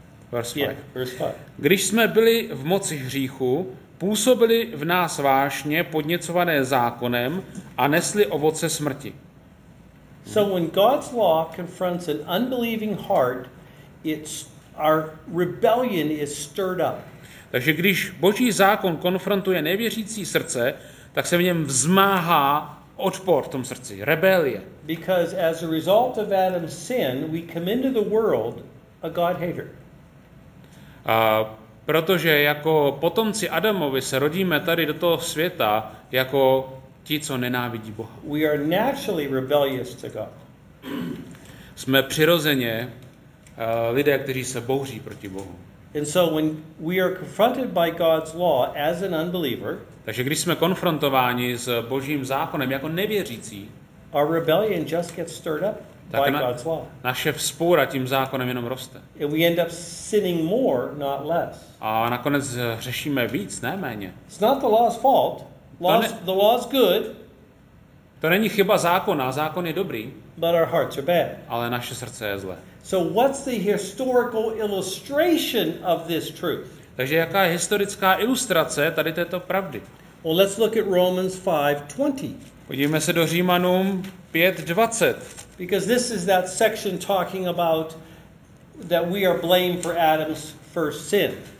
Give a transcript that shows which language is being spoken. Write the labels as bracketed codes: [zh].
[en] Verse 5. [cs] Když jsme byli v moci hříchu, působili v nás vášně podněcované zákonem a nesli ovoce smrti. [en] So when God's law confronts an unbelieving heart, it's our rebellion is stirred up. [cs] Takže když Boží zákon konfrontuje nevěřící srdce, tak se v něm vzmáhá odpor v tom srdci, rebelie. [en] Because as a result of Adam's sin, we come into the world a God-hater. [cs] Protože jako potomci Adamovi se rodíme tady do toho světa jako ti, co nenávidí Boha. [en] We are naturally rebellious to God. [cs] Jsme přirozeně lidé, kteří se bouří proti Bohu. [en] And so when we are confronted by God's law as an unbeliever, [cs] takže když jsme konfrontováni s Božím zákonem jako nevěřící, [en] our rebellion just gets stirred up [cs] tak [en] by God's law. [cs] Naše vzpůra tím zákonem jenom roste. [en] And we end up sinning more, not less. [cs] A nakonec hřešíme víc, ne méně. [en] It's not the law's fault. The law's good. [cs] To není chyba zákona, zákon je dobrý. [en] But our hearts are bad. [cs] Ale naše srdce je zlé. [en] So what's the historical illustration of this truth? [cs] Takže jaká je historická ilustrace tady této pravdy? [en] Well, let's look at Romans 5:20. [cs] Podívejme se do Římanům 5:20. [en] Because this is that section talking about that we are blamed for Adam's first sin.